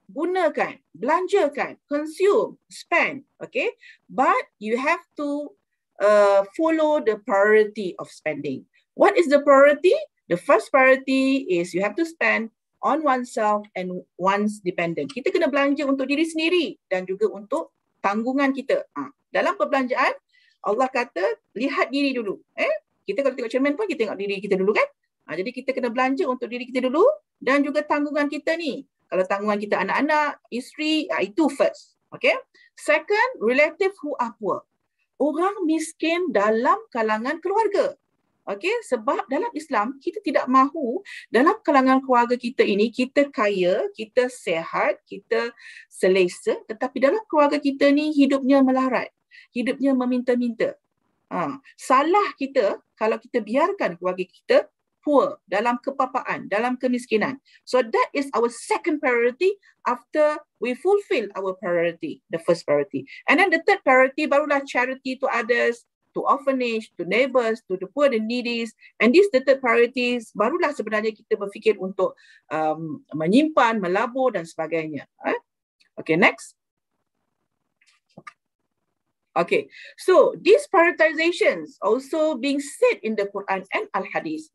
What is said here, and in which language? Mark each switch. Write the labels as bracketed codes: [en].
[ms] Gunakan, belanjakan, [en] consume, spend, okay? But you have to follow the priority of spending. What is the priority? The first priority is you have to spend on oneself and one's dependent. [ms] Kita kena belanja untuk diri sendiri dan juga untuk tanggungan kita. Dalam perbelanjaan, Allah kata, lihat diri dulu. Kita kalau tengok cermin pun, kita tengok diri kita dulu kan? Jadi kita kena belanja untuk diri kita dulu dan juga tanggungan kita ni. Kalau tanggungan kita anak-anak, isteri, itu first. Okay? [en] Second, relative who are poor. [ms] Orang miskin dalam kalangan keluarga. [en] Okay? [ms] Sebab dalam Islam, kita tidak mahu dalam kalangan keluarga kita ini, kita kaya, kita sehat, kita selesa. Tetapi dalam keluarga kita ni hidupnya melarat. Hidupnya meminta-minta. Salah kita kalau kita biarkan keluarga kita poor, dalam kepapaan, dalam kemiskinan. [en] So that is our second priority after we fulfill our priority, the first priority. And then the third priority, barulah charity to others, to orphanage, to neighbors, to the poor, the needy. And this the third priorities, [ms] barulah sebenarnya kita berfikir untuk menyimpan, melabur dan sebagainya. [en] Okay, next. Okay, so these prioritizations also being said in the Quran and Al-Hadith.